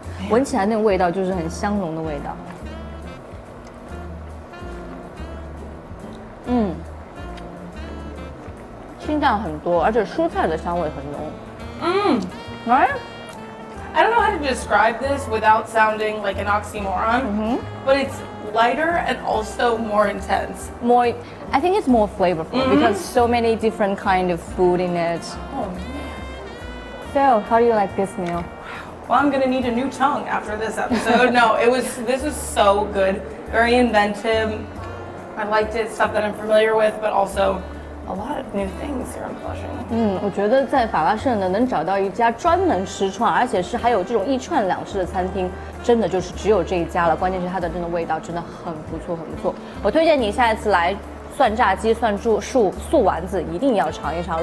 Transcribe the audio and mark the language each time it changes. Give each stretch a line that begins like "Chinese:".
Chinese: 闻起来那个味道就是很香浓的味道。清淡很多，而且蔬菜的香味很浓。
English: Right? I don't know how to describe this without sounding like an oxymoron, but it's lighter and also more intense. More, I think it's more flavorful because so many different kind of food in it. Oh, man. So, how do you like this meal? Well, I'm going to need a new tongue after this episode. No, this is so good. Very inventive. I liked it, stuff that I'm familiar with, but also... A lot of new things here in
Chinese: Flushing. 我觉得在法拉盛呢，能找到一家专门吃串，而且是还有这种一串两吃的餐厅，真的就是只有这一家了。关键是它的真的味道真的很不错，很不错。我推荐你下一次来蒜炸鸡、蒜柱树素丸子一定要尝一尝。